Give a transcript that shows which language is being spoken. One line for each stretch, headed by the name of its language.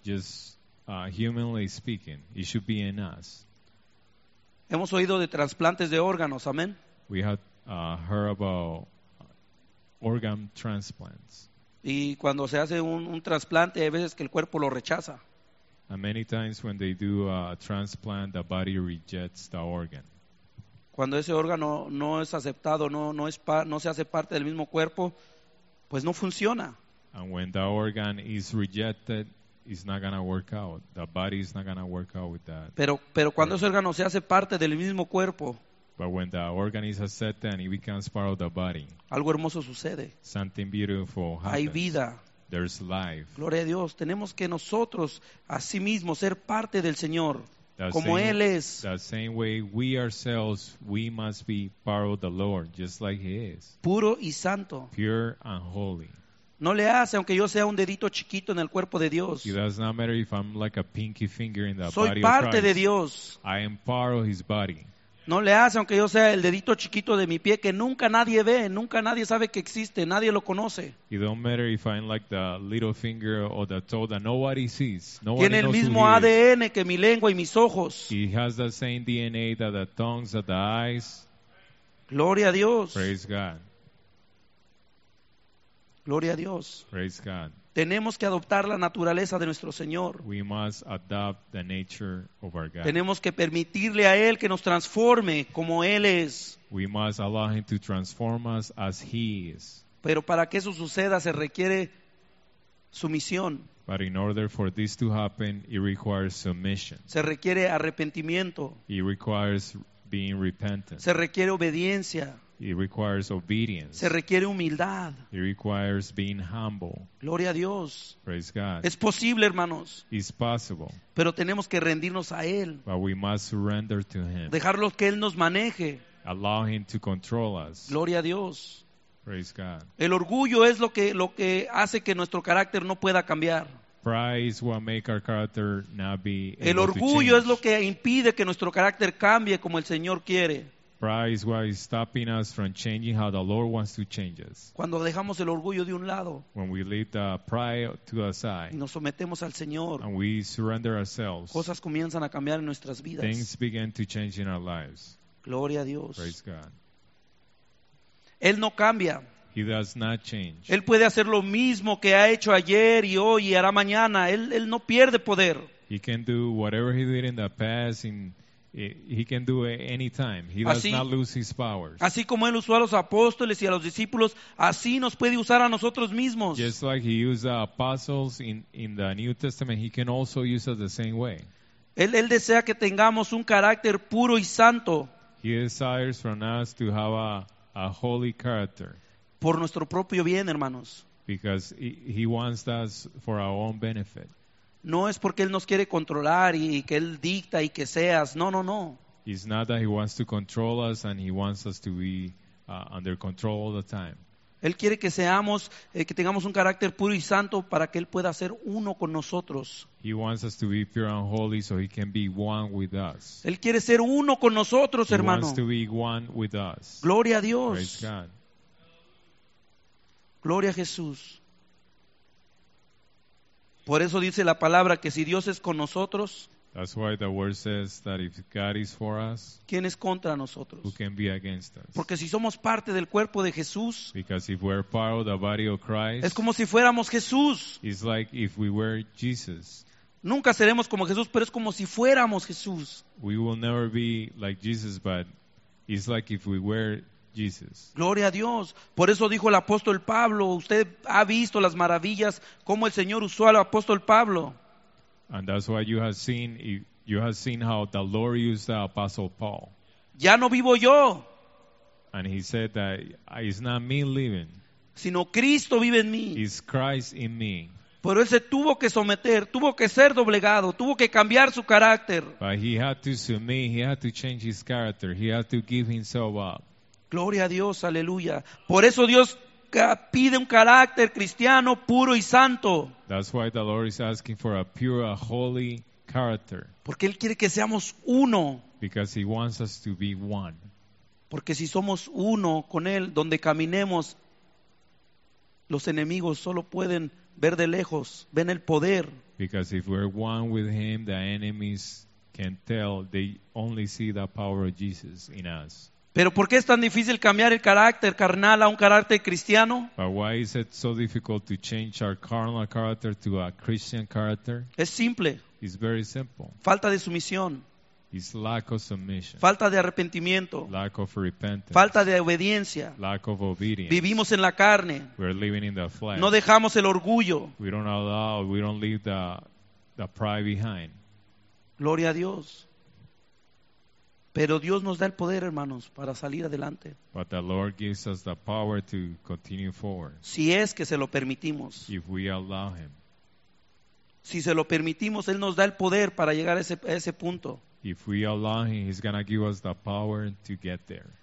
English: Just humanly speaking, it should be in us.
Spanish: Hemos oído de trasplantes de órganos, amén.
English: We have heard about organ transplants.
Spanish: Y cuando se hace un trasplante, hay veces que el cuerpo lo rechaza.
English: And many times when they do a transplant, the body rejects the organ.
Spanish: Cuando ese órgano no es aceptado, no se hace parte del mismo cuerpo, pues no funciona.
English: And when the organ is rejected, it's not going to work out. The body is not going to work out with that.
Spanish: Pero cuando ese órgano se hace parte del mismo cuerpo,
English: but when the organ is accepted and it becomes part of the body,
Spanish: algo hermoso sucede.
English: Something beautiful happens.
Spanish: Hay vida.
English: There's life.
Spanish: Gloria a Dios. Tenemos que nosotros, así mismo, ser parte del Señor,
English: the
Spanish: como
English: same,
Spanish: Él es.
English: The same way we ourselves, we must be part of the Lord, just like He is.
Spanish: Puro y santo.
English: Pure and holy.
Spanish: No le hace, aunque yo sea un dedito chiquito en el cuerpo de Dios.
English: It does not matter if I'm like a pinky finger in the
Spanish: soy
English: body of Christ.
Spanish: Soy parte de Dios.
English: I am part of His body.
Spanish: No le hace, aunque yo sea el dedito chiquito de mi pie que nunca nadie ve, nunca nadie sabe que existe, nadie lo conoce.
English: It don't matter if I'm like the little finger or the toe that nobody sees. Nobody
Spanish: tiene el mismo ADN
English: is.
Spanish: Que mi lengua y mis ojos.
English: He has the same DNA that the tongues, that the eyes.
Spanish: Gloria a Dios.
English: Praise God.
Spanish: Gloria a Dios.
English: Praise God.
Spanish: Tenemos que adoptar la naturaleza de nuestro Señor.
English: We must adopt the nature of our God.
Spanish: Tenemos que permitirle a Él que nos transforme como Él es.
English: We must allow Him to transform us as He is.
Spanish: Pero para que eso suceda se requiere sumisión.
English: But in order for this to happen, it requires submission.
Spanish: Se requiere arrepentimiento.
English: It requires being repentant.
Spanish: Se requiere obediencia.
English: It requires obedience.
Spanish: Se requiere humildad.
English: It requires being humble.
Spanish: Gloria a Dios.
English: Praise God.
Spanish: Es posible, hermanos.
English: It's possible.
Spanish: Pero tenemos que rendirnos a Él.
English: But we must surrender to Him.
Spanish: Dejarlo que Él nos maneje.
English: Allow Him to control us.
Spanish: Gloria a Dios.
English: Praise God.
Spanish: El orgullo es lo que hace que nuestro carácter no pueda cambiar.
English: Pride is what makes our character not be able to change.
Spanish: El orgullo es lo que impide que nuestro carácter cambie como el Señor quiere.
English: Pride is what is stopping us from changing how the Lord wants to change us.
Spanish: Cuando dejamos el orgullo de un lado,
English: when we leave the pride to the side,
Spanish: y nos sometemos al Señor,
English: and we surrender ourselves,
Spanish: cosas comienzan a cambiar en nuestras vidas.
English: Things begin to change in our lives.
Spanish: Gloria a Dios.
English: Praise God.
Spanish: Él no cambia.
English: He does not change.
Spanish: Él puede hacer lo mismo que ha hecho ayer y hoy y hará mañana. Él no pierde poder.
English: He can do whatever he did in the past in He can do it anytime. He does
Spanish: así,
English: not lose his powers.
Spanish: Así como él usó a los apóstoles y a los discípulos, así nos puede usar a nosotros mismos.
English: Just like he used the apostles in the New Testament, he can also use us the same way.
Spanish: Él desea que tengamos un carácter puro y santo.
English: He desires from us to have a holy character.
Spanish: Por nuestro propio bien, hermanos.
English: Because he wants us for our own benefit.
Spanish: No es porque Él nos quiere controlar y que Él dicta y que seas. No, no, no.
English: It's not that He wants to control us and He wants us to be under control all the time.
Spanish: Él quiere que seamos, que tengamos un carácter puro y santo para que Él pueda ser uno con nosotros.
English: He wants us to be pure and holy so He can be one with us.
Spanish: Él quiere ser uno con nosotros,
English: he
Spanish: hermano.
English: Wants to be one with us.
Spanish: Gloria a Dios.
English: Praise God.
Spanish: Gloria a Jesús. Por eso dice la palabra que si Dios es con nosotros,
English: that's why the word says that if God is for us,
Spanish: ¿quién es contra nosotros?
English: Who can be against us?
Spanish: Porque si somos parte del cuerpo de Jesús,
English: because if we're part of the body of Christ,
Spanish: es como si fuéramos Jesús.
English: It's like if we were Jesus.
Spanish: Nunca seremos como Jesús, pero es como si fuéramos Jesús.
English: We will never be like Jesus, but it's like if we were Jesus.
Spanish: Gloria a Dios. Por eso dijo el apóstol Pablo, usted ha visto las maravillas como el Señor usó al apóstol Pablo.
English: And that's why you have seen how the Lord used the Apostle Paul.
Spanish: Ya no vivo yo.
English: And he said that it's not me living,
Spanish: sino Cristo vive en mí.
English: It's Christ in me.
Spanish: Pero él se tuvo que someter, tuvo que ser doblegado, tuvo que cambiar su carácter.
English: But he had to submit, he had to change his character, he had to give himself up.
Spanish: Gloria a Dios, aleluya. Por eso Dios pide un carácter cristiano puro y santo.
English: That's why the Lord is asking for a pure, a holy character.
Spanish: Porque Él quiere que seamos uno.
English: Because He wants us to be one.
Spanish: Porque si somos uno con Él, donde caminemos, los enemigos solo pueden ver de lejos, ven el poder.
English: Because if we're one with Him, the enemies can tell, they only see the power of Jesus in us.
Spanish: ¿Pero por qué es tan difícil cambiar el carácter carnal a un carácter cristiano?
English: But why is it so difficult to change our carnal character to a Christian character?
Spanish: Es simple.
English: It's very simple.
Spanish: Falta de sumisión.
English: It's lack of submission.
Spanish: Falta de arrepentimiento.
English: Lack of repentance.
Spanish: Falta de obediencia.
English: Lack of obedience.
Spanish: Vivimos en la carne.
English: We're living in the flesh.
Spanish: No dejamos el orgullo.
English: We don't leave the pride behind.
Spanish: Gloria a Dios. Pero Dios nos da el poder, hermanos, para salir adelante.
English: But the Lord gives us the power to continue forward.
Spanish: Si es que se lo permitimos.
English: If we allow Him.
Spanish: Si se lo permitimos, Él nos da el poder para llegar a ese punto.
English: If we allow Him, He's going to give us the power to get there.